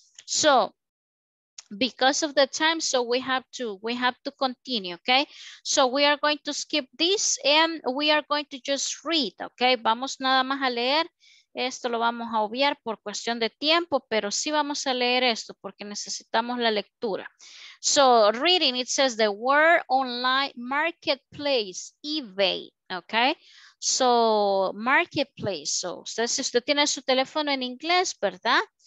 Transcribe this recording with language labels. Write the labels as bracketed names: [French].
[English] So, because of the time, so we have to continue, okay? So we are going to skip this and we are going to just read, okay? [Spanish] Vamos nada más a leer, esto lo vamos a obviar por cuestión de tiempo, pero sí vamos a leer esto porque necesitamos la lectura. [English] So reading, it says the word online marketplace, eBay, okay? [Spanish] So, marketplace, so si usted tiene su teléfono en inglés, ¿verdad?